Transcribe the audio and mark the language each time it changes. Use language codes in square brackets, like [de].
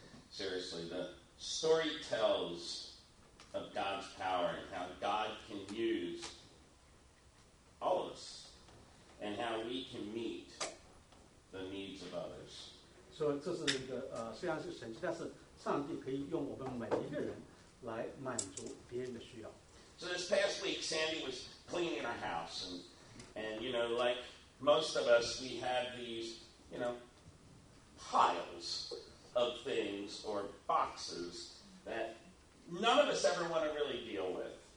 [en] Seriously, the story tells of God's power and how God can use all of us and how we can meet the needs of others. [zh] So, 这是一个，虽然是神迹，但是上帝可以用我们每一个人来满足别人的需要。 [en] So this past week, Sandy was cleaning our house, and you know, like most of us, we have these, you know, piles of things or boxes that none of us ever want to really deal with.